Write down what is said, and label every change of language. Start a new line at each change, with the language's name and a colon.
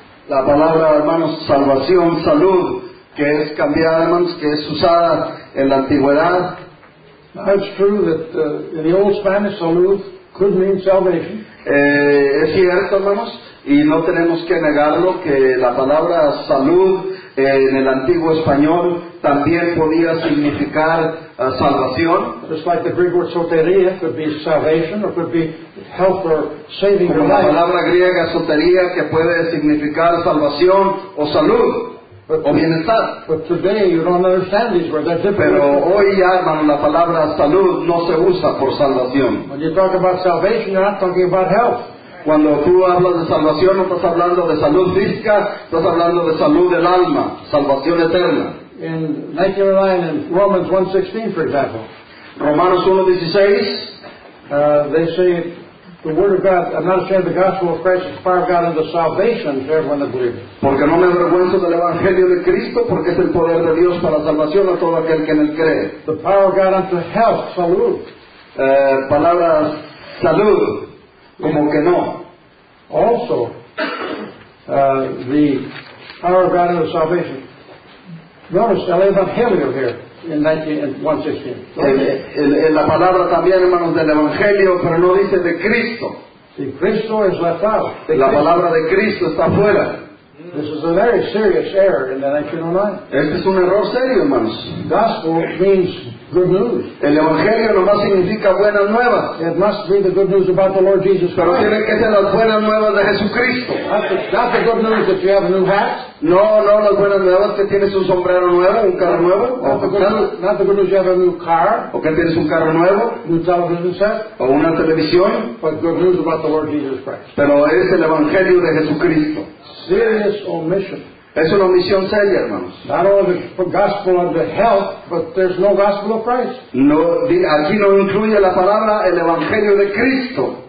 Spanish: La palabra, hermanos, salvación, salud, que es cambiada, hermanos, que es usada en la antigüedad.
English: That's true that in the old Spanish, salud could mean salvation.
Spanish: Es cierto, hermanos, y no tenemos que negarlo, que la palabra salud en el antiguo español también podía significar salvación.
English: Just like the Greek word soteria could be salvation or could be help or saving your life.
Spanish: La palabra griega soteria que puede significar salvación o salud o bienestar.
English: But today you don't understand these words. They're different.
Spanish: Pero hoy ya, hermano, la palabra salud no se usa por salvación.
English: When you talk about salvation, you're not talking about health.
Spanish: Cuando tú hablas de salvación, no estás hablando de salud física, estás hablando de salud del alma, salvación eterna.
English: In 1909, in Romans 1:16, for example.
Spanish: Romanos 1:16.
English: They say, the word of God, I'm not ashamed of the gospel of Christ, it's the power of God unto salvation to everyone that believes.
Spanish: Porque no me avergüenzo del evangelio de Cristo, porque es el poder de Dios para salvación a todo aquel que en él cree.
English: The power of God unto health, salud.
Spanish: Palabras, salud. Como que no.
English: Also, the power of God and the salvation. Notice
Spanish: el evangelio
English: here in 1916.
Spanish: La palabra también, hermanos, del evangelio, pero no dice de Cristo.
English: The Cristo is left out.
Spanish: The la palabra de Cristo está fuera.
English: This is a very serious error in the 1909.
Spanish: Este es un error serio, hermanos.
English: Gospel means good news.
Spanish: El evangelio no más significa buena nueva.
English: It must be the good news about the Lord Jesus Christ.
Spanish: Pero tiene que ser las buenas nuevas de Jesucristo.
English: Not the good news that you have a new hat.
Spanish: No, no, las buenas nuevas que tienes un sombrero nuevo, un carro nuevo.
English: Not the good news you have a new car.
Spanish: O que tienes un carro nuevo.
English: New television set.
Spanish: O una televisión.
English: But good news about the Lord Jesus Christ.
Spanish: Pero es el evangelio de Jesucristo.
English: Serious omission.
Spanish: Es una omisión seria, hermanos.
English: Not only the gospel of the health, but there's no gospel of Christ.
Spanish: No, aquí no incluye la palabra el evangelio de Cristo.